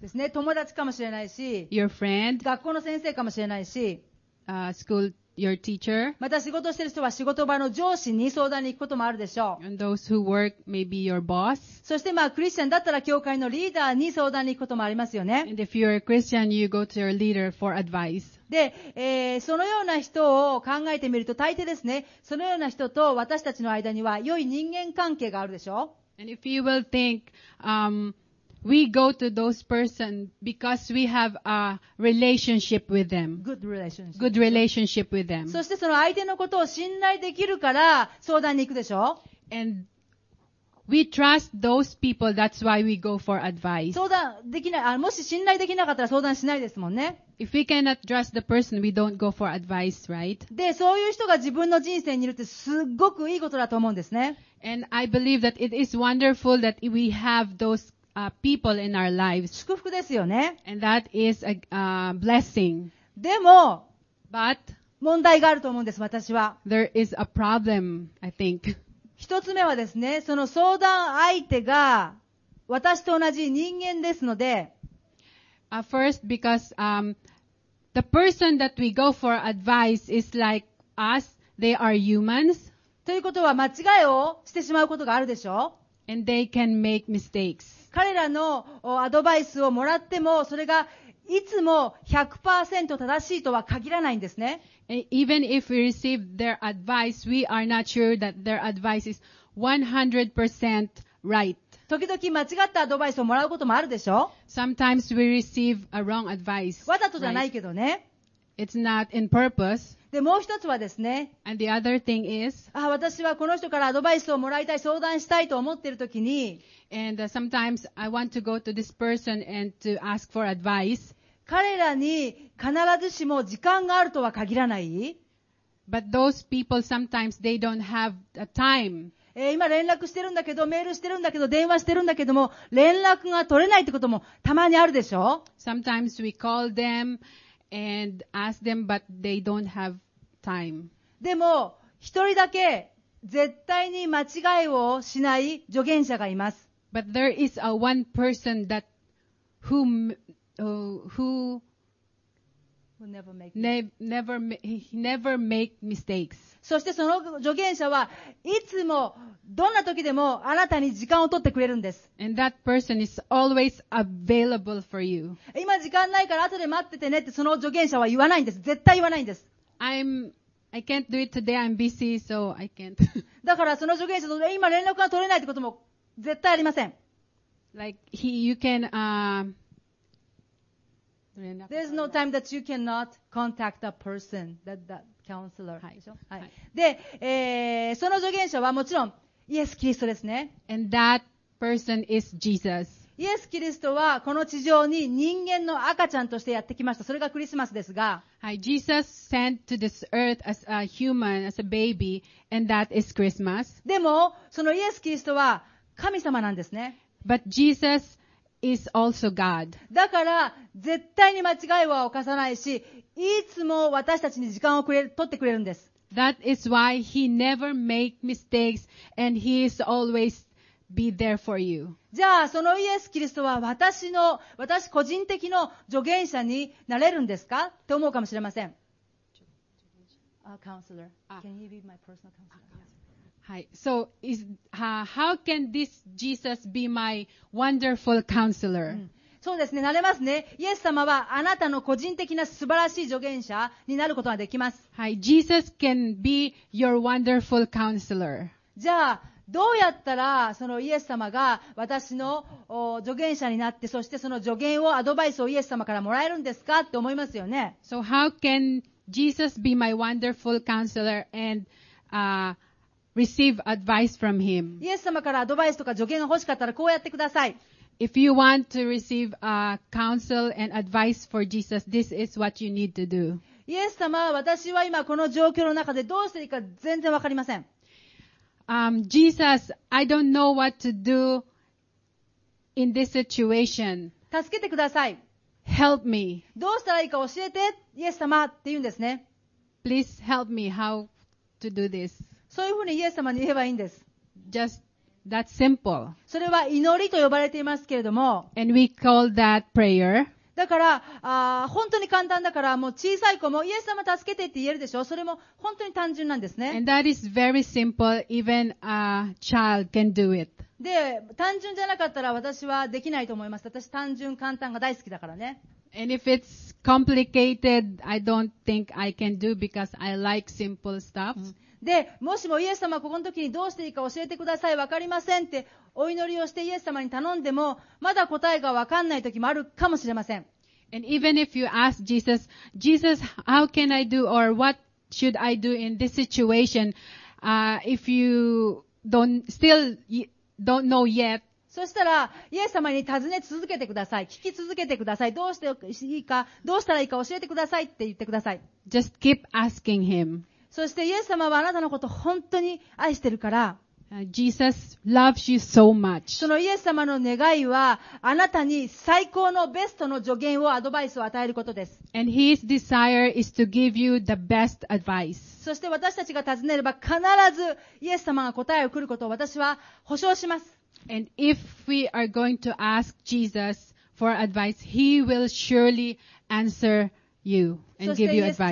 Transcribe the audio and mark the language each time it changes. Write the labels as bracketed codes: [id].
[ja] ですね、友達かもしれないし。 [en] Your friend. [ja] 学校の先生かもしれないし。 [en] School, your teacher. [ja] また仕事してる人は仕事場の上司に相談に行くこともあるでしょう。 [en] And those who work, maybe your boss. [ja] そしてまあ、クリスチャンだったら教会のリーダーに相談に行くこともありますよね。 [en] And if you're a Christian, you go to your leader for advice. [ja] で、そのような人を考えてみると大抵ですね、そのような人と私たちの間には良い人間関係があるでしょう。 [en] And if you will think, We go to those person because we have a relationship with them. Good relationship with them. [ja] そしてその相手のことを信頼できるから相談に行くでしょ。 [en] And we trust those people. That's why we go for advice. [ja] 相談できない、もし信頼できなかったら相談しないですもんね。 [en] If we cannot trust the person, we don't go for advice, right? [ja] で、そういう人が自分の人生にいるってすっごくいいことだと思うんですね。 [en] And I believe that it is wonderful that we have thosepeople in our lives. [ja] 祝福ですよね。 [en] And that is a, blessing. [ja] でも、 [en] But, [ja] 問題があると思うんです、私は。 [en] There is a problem, I think. [ja] 一つ目はですね、その相談相手が私と同じ人間ですので、 [en] first, because, the person that we go for advice is like us, they are humans. [ja] ということは間違いをしてしまうことがあるでしょ。 [en] And they can make mistakes. [ja] 彼らのアドバイスをもらっても、それがいつも 100% 正しいとは限らないんですね。 [en] Even if we receive their advice, we are not sure that their advice is 100% right. [ja] 時々間違ったアドバイスをもらうこともあるでしょ? [en] Sometimes we receive a wrong advice. [ja] わざとじゃないけどね。 [en] It's not in purpose. [ja] で、もう一つはですね。 [en] And the other thing is, [ja] 私はこの人からアドバイスをもらいたい、相談したいと思っているときに、 [en] And sometimes I want to go to this person and to ask for advice. [ja] 彼らに必ずしも時間があるとは限らない。 [en] But those people sometimes they don't have the time. [ja] 今連絡してるんだけど、メールしてるんだけど、電話してるんだけども、連絡が取れないってこともたまにあるでしょ? [en] Sometimes we call them. And ask them, but they don't have time. [ja] でも一人だけ絶対に間違いをしない助言者がいます。 [en] But there is a one person that who never make mistakes. [ja] そしてその助言者はいつもどんな時でもあなたに時間を取ってくれるんです。 [en] And that person is always available for you. [ja] 今時間ないから後で待っててねってその助言者は言わないんです。絶対言わないんです。 [en] I can't do it today. I'm busy, so I can't. [ja] だからその助言者と今連絡が取れないってことも絶対ありません。 [en] Like he, you can, There's no time that you cannot contact a person that counselor. [ja] はい。はい。で、その助言者はもちろんイエス・キリストですね。 [en] And that person is Jesus. [ja] イエス・キリストはこの地上に人間の赤ちゃんとしてやってきました。それがクリスマスですが。はい。 [en] Jesus sent to this earth as a human, as a baby, and that is Christmas. [ja] でも、そのイエス・キリストは神様なんですね。 [en] But Jesus is also God. [ja] だから、絶対に間違いは犯さないし、いつも私たちに時間を取ってくれるんです。 [en] That is why he never make mistakes and he is always be there for you. [ja] じゃあそのイエス・キリストは私個人的の助言者になれるんですかと思うかもしれません。 [en] Counselor, can you be my personal counselor? Hi. So is how can this Jesus be my wonderful counselor?、 [ja] うん、そうですね、なれますね。イエス様はあなたの個人的な素晴らしい助言者になることができます。 [en] はい、Jesus can be your wonderful counselor. [ja] じゃあどうやったらそのイエス様が私の助言者になって、そしてその助言をアドバイスをイエス様からもらえるんですかって思いますよね。 [en] So how can Jesus be my wonderful counselor and receive advice from him? [ja] イエス様からアドバイスとか助言が欲しかったらこうやってください。 [en] If you want to receive counsel and advice for Jesus, this is what you need to do. [ja] イエス様、私は今この状況の中でどうしていいか全然わかりません。 [en] Jesus, I don't know what to do in this situation. [ja] 助けてください。 [en] Help me. [ja] どうしたらいいか教えて、イエス様って言うんですね。 [en] Please help me how to do this. [ja] そういうふうにイエス様に言えばいいんです。 [en] Just that simple. [ja] それは祈りと呼ばれていますけれども。 [en] And we call that prayer. [ja] だから、本当に簡単だから、もう小さい子もイエス様助けてって言えるでしょ。それも本当に単純なんですね。 [en] And that is very simple. Even a child can do it. [ja] で、単純じゃなかったら私はできないと思います。私、単純簡単が大好きだからね。 [en] And if it's complicated, I don't think I can do because I like simple stuff. [ja] で、もしもイエス様、ここの時にどうしていいか教えてください、わかりませんってお祈りをしてイエス様に頼んでも、まだ答えがわかんない時もあるかもしれません。 [en] And even if you ask Jesus, Jesus, how can I do or what should I do in this situation, if you don't still,Don't know yet. [ja] そしたら、イエス様に尋ね続けてください。聞き続けてください。どうしていいか、どうしたらいいか教えてくださいって言ってください。 [en] Just keep asking him. [ja] そして、イエス様はあなたのこと本当に愛してるから。 [en] Jesus loves you so much. [ja] そのイエス様の願いは、あなたに最高のベストの助言を、アドバイスを与えることです。 [en] And his desire is to give you the best advice. [ja] そして私たちが尋ねれば必ずイエス様が答えをくることを私は保証します。 [en] And if we are going to ask Jesus for advice, he will surely answer you and give you advice.